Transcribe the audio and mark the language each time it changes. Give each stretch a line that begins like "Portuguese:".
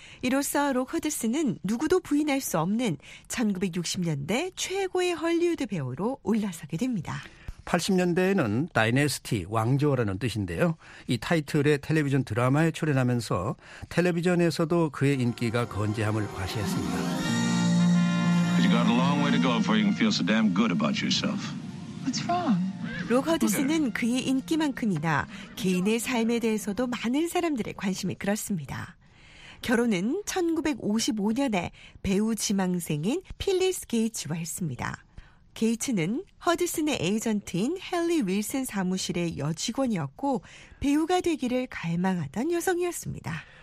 Korean: 이로써 록 허드슨은 누구도 부인할 수 없는 1960년대 최고의 할리우드 배우로 올라서게 됩니다. 80년대에는 다이네스티, 왕조라는 뜻인데요. 이 타이틀의 텔레비전 드라마에 출연하면서 텔레비전에서도 그의 인기가 건재함을 과시했습니다.
English: You've got a long way to go before you can feel so damn good about yourself. What's wrong?
Korean: 록 허드슨은 그의 인기만큼이나 개인의 삶에 대해서도 많은 사람들의 관심이 끌었습니다. 결혼은 1955년에 배우 지망생인 필리스 게이츠와 했습니다. 게이츠는 허드슨의 에이전트인 헨리 윌슨 사무실의 여직원이었고 배우가 되기를 갈망하던 여성이었습니다.